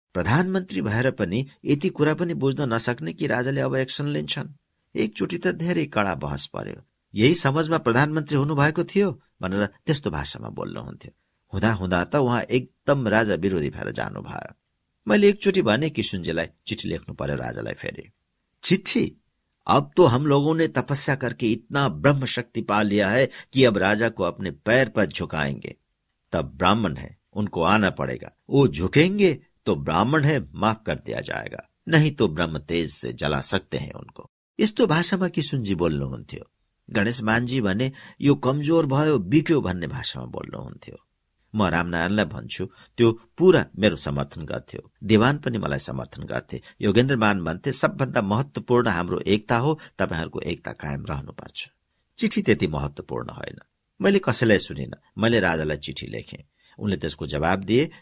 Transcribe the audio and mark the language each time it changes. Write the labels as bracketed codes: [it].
[ne] प्रधानमन्त्री भएर पनि यति कुरा पनि बुझ्न नसक्ने कि राजाले अब एक्सन लिन्छन्। एकचोटि त धेरै कडा बहस पर्यो। यही समझमा प्रधानमन्त्री हुनुभएको थियो भनेर त्यस्तो भाषामा बोल्नुहुन्थ्यो। हुँदा हुँदा त उहाँ एकदम राजा विरोधी भएर जानुभयो। मैले एकचोटि भने किशुनजीलाई चिठी लेख्नु पर्यो राजालाई फेरि। चिठी? [hi] अब तो हम लोगों ने तपस्या करके इतना ब्रह्म शक्ति पा लिया है कि अब राजा को अपने पैर पर झुकाएंगे। तब ब्राह्मण है, उनको आना पड़ेगा। वो झुकेंगे तो ब्राह्मण है, माफ कर दिया जाएगा, नहीं तो ब्रह्म तेज से जला सकते हैं उनको। इस तो भाषा में किशुन जी [ne] बोल्नुहुन्थ्यो। गणेश मानजी भने यो कमजोर भयो बिक्यो भन्ने भाषामा बोल्नुहुन्थ्यो। म रामनारायणलाई भन्छु, त्यो पूरा मेरो समर्थन गर्थ्यो। दिवान पनि मलाई समर्थन गर्थे। योगेन्द्रमान भन्थे, सबभन्दा महत्वपूर्ण हाम्रो एकता हो, तपाईँहरूको एकता कायम रहनुपर्छ। चिठी त्यति महत्वपूर्ण होइन, मैले कसैलाई सुनिनँ। मैले राजालाई चिठी लेखेँ, उनले त्यसको जवाब दिए।